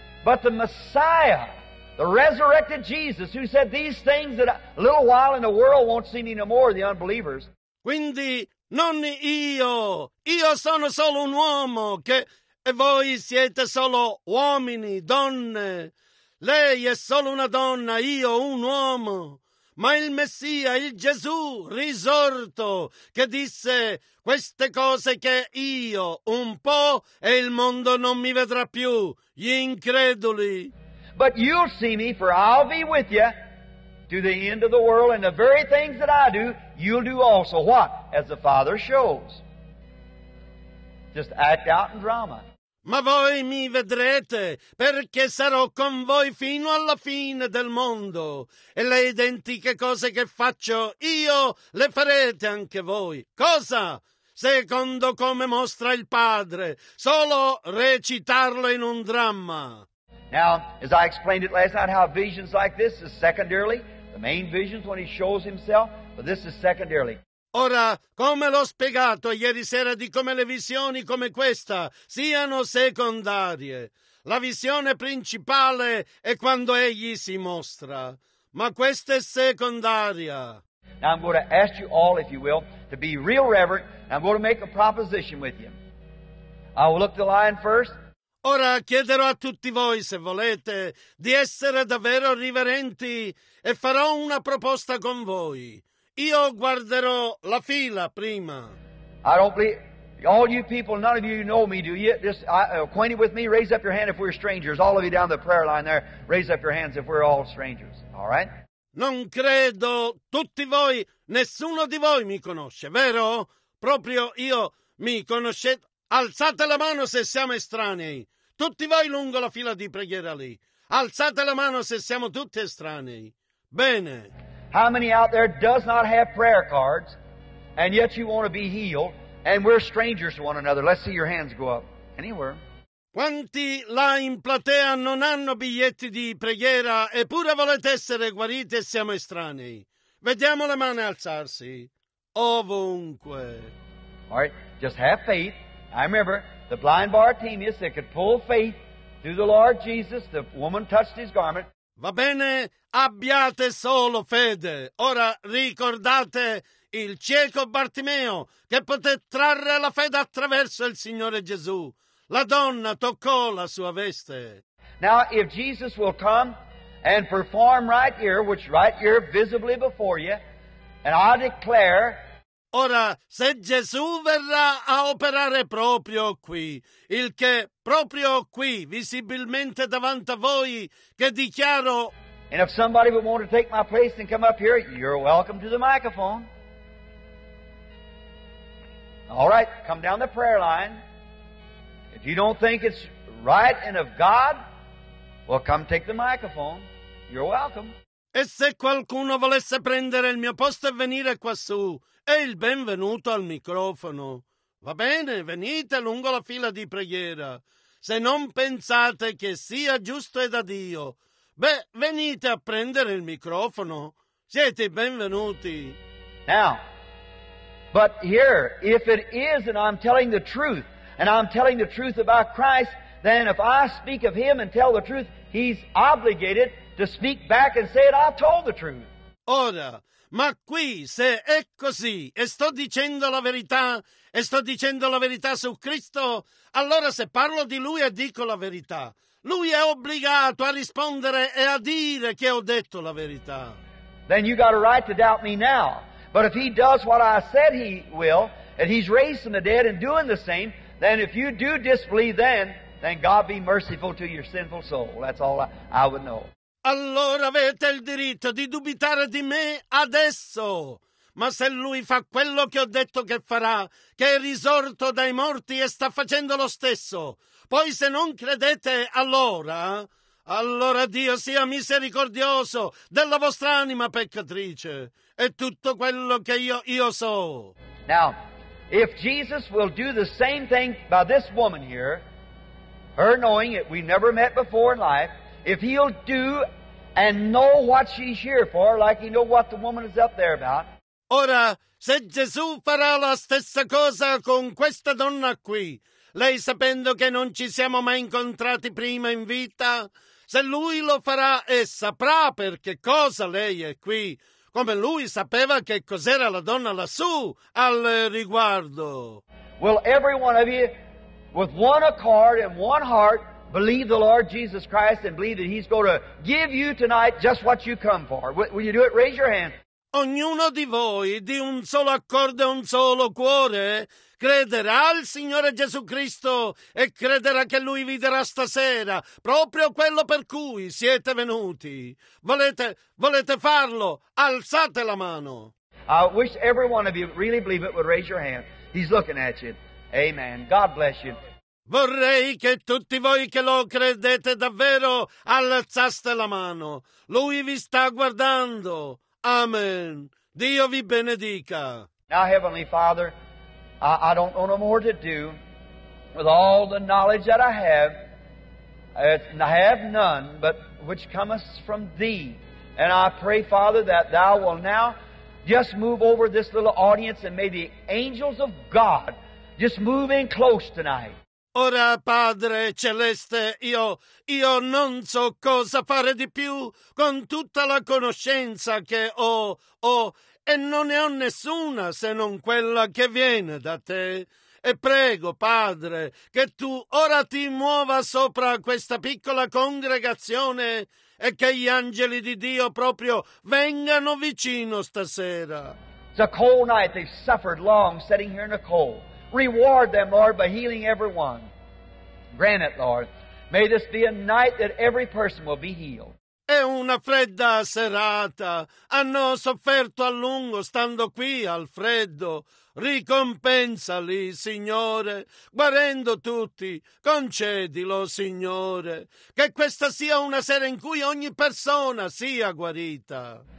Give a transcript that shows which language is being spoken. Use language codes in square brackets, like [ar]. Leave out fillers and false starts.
[en] But the Messiah, the resurrected Jesus, who said these things that a little while in the world won't see me no more, the unbelievers. [it] Quindi, non io. Io sono solo un uomo che... E voi siete solo uomini, donne. Lei è solo una donna, io un uomo. Ma il Messia, il Gesù risorto, che disse queste cose che io un po' e il mondo non mi vedrà più, gli increduli. [en] But you'll see me, for I'll be with you to the end of the world, and the very things that I do, you'll do also. What? As the Father shows. Just act out in drama. [it] Ma voi mi vedrete, perché sarò con voi fino alla fine del mondo. E le identiche cose che faccio io, le farete anche voi. Cosa? Secondo come mostra il Padre. Solo recitarlo in un dramma. [en] Now, as I explained it last night, how visions like this is secondarily. The main visions when he shows himself, but this is secondarily. [it] Ora, come l'ho spiegato ieri sera di come le visioni come questa siano secondarie. La visione principale è quando egli si mostra, ma questa è secondaria. [en] Now I'm going to ask you all, if you will, to be real reverent, and I'm going to make a proposition with you. I will look the lion first. [it] Ora chiederò a tutti voi, se volete, di essere davvero riverenti e farò una proposta con voi. Io guarderò la fila prima. [en] I don't believe all you people, none of you know me, do you? Just acquainted with me, raise up your hand if we're strangers. All of you down the prayer line there, raise up your hands if we're all strangers. All right? [it] Non credo, tutti voi, nessuno di voi mi conosce, vero? Proprio io mi conoscete. Alzate la mano se siamo estranei. Tutti voi lungo la fila di preghiera lì. Alzate la mano se siamo tutti estranei. Bene. [en] How many out there does not have prayer cards, and yet you want to be healed, and we're strangers to one another? Let's see your hands go up. Anywhere. [it] Quanti là in platea non hanno biglietti di preghiera, eppure volete essere guariti e siamo estranei? Vediamo le mani alzarsi. Ovunque. [en] All right, just have faith. I remember the blind Bartimaeus that could pull faith through the Lord Jesus, the woman touched his garment. [it] Va bene, abbiate solo fede. Ora ricordate il cieco Bartimeo che poté trarre la fede attraverso il Signore Gesù. La donna toccò la sua veste. [en] Now, if Jesus will come and perform right here, which right here visibly before you, and I declare... [it] Ora, se Gesù verrà a operare proprio qui, il che proprio qui, visibilmente davanti a voi, che dichiaro... [en] And if somebody would want to take my place and come up here, you're welcome to the microphone. All right, come down the prayer line. If you don't think it's right and of God, well, come take the microphone. You're welcome. [it] E se qualcuno volesse prendere il mio posto e venire quassù, è il benvenuto al microfono. Va bene, venite lungo la fila di preghiera. Se non pensate che sia giusto e da Dio, beh, venite a prendere il microfono. Siete benvenuti. [en] Now, but here, if it is and I'm telling the truth, and I'm telling the truth about Christ, then if I speak of Him and tell the truth, He's obligated to speak back and say it, I told the truth. [it] Ora, ma qui, se è così, e sto dicendo la verità, e sto dicendo la verità su Cristo, allora se parlo di Lui e dico la verità, Lui è obbligato a rispondere e a dire che ho detto la verità. [en] Then you got a right to doubt me now. But if He does what I said He will, and He's raising the dead and doing the same, then if you do disbelieve then God be merciful to your sinful soul. That's all I would know. [it] Allora avete il diritto di dubitare di me adesso. Ma se Lui fa quello che ho detto che farà, che è risorto dai morti e sta facendo lo stesso, poi se non credete allora Dio sia misericordioso della vostra anima peccatrice. È tutto quello che io so. [en] Now, if Jesus will do the same thing by this woman here, her knowing it, we never met before in life, if he'll do and know what she's here for, like he know what the woman is up there about. [it] Ora, se Gesù farà la stessa cosa con questa donna qui, lei sapendo che non ci siamo mai incontrati prima in vita, se lui lo farà e saprà per che cosa lei è qui, come lui sapeva che cos'era la donna lassù al riguardo. [en] Will every one of you, with one accord and one heart, believe the Lord Jesus Christ and believe that he's going to give you tonight just what you come for? Will you do it? Raise your hand. [it] Ognuno di voi, di un solo accordo e un solo cuore, crederà al Signore Gesù Cristo e crederà che Lui vi darà stasera proprio quello per cui siete venuti. Volete farlo? Alzate la mano. [en] I wish every one of you really believe it would raise your hand. He's looking at you. Amen. God bless you. [it] Vorrei che tutti voi che lo credete davvero alzaste la mano. Lui vi sta guardando. Amen. Dio vi benedica. [en] Now, Heavenly Father, I don't know no more to do with all the knowledge that I have. I have none, but which cometh from Thee. And I pray, Father, that Thou will now just move over this little audience and may the angels of God just move in close tonight. [it] Ora, Padre Celeste, io non so cosa fare di più con tutta la conoscenza che ho, e non ne ho nessuna se non quella che viene da Te. E prego, Padre, che Tu ora Ti muova sopra questa piccola congregazione e che gli angeli di Dio proprio vengano vicino stasera. [en] It's a cold night. They've suffered long sitting here in the cold. Reward them, Lord, by healing everyone. Grant it, Lord. May this be a night that every person will be healed. [it] È una fredda serata. Hanno sofferto a lungo stando qui al freddo. Ricompensali, Signore, guarendo tutti, concedilo, Signore, che questa sia una sera in cui ogni persona sia guarita.